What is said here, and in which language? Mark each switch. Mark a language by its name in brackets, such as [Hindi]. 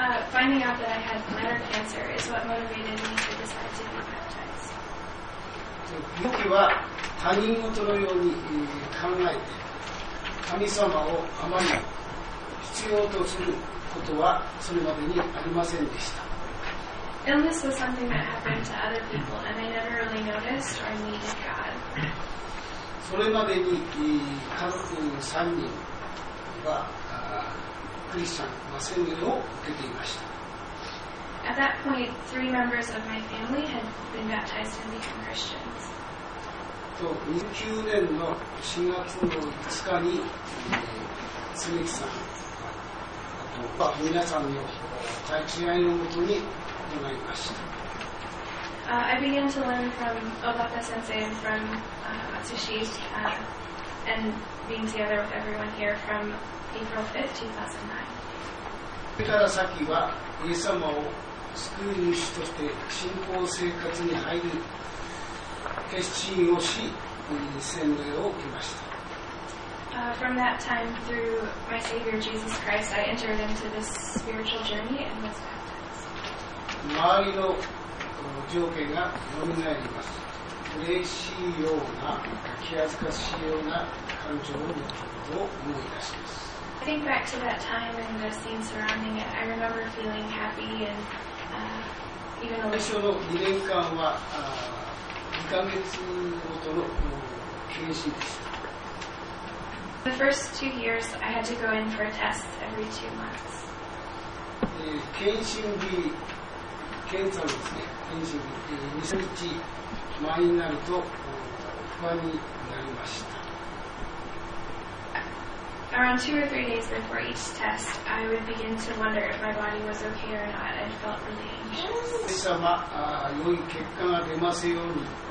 [English] Finding out that I had bladder cancer is what motivated me to decide to be baptized. [Japanese] 病気は他人事のように考えて、神様をあまり必要とすることはそれまでにありませんでした。 [English] Illness was something that happened to other people, and I never really noticed or needed God. [Japanese] それまでに家族3人はクリスチャン、洗礼を受けていました。 [English] At that point, three members of my family had been baptized and become Christians. [Japanese] 2009年の4月の5日に、つみきさん、あと皆さんの立ち会いのもとに行いました。 [English] I began to learn from Obata sensei and from Atsushi, and being together with everyone here from April 5th, 2009. [Japanese] それから先は、イエス様を救い主として信仰生活に入る決心をし、洗礼を受けました。 [English] From that time, through my Savior Jesus Christ, I entered into this spiritual journey and was baptized. [Japanese] 周りの条件が蘇ります。嬉しいような、気恥ずかしいような感情を持つことを思い出します。 [English] I think back to that time and the scene surrounding it. I remember feeling happy and even a little. [Japanese] 最初の2年間は、2ヶ月ごとの検診でした。 [English] The first two years, I had to go in for tests every two months. [Japanese] 検診日、検査ですね。検診日、2、3日前になると不安になりました。 [English] Around two or three days before each test, I would begin to wonder if my body was okay or not. I felt really anxious. [Japanese] 皆様、良い結果が出ますように。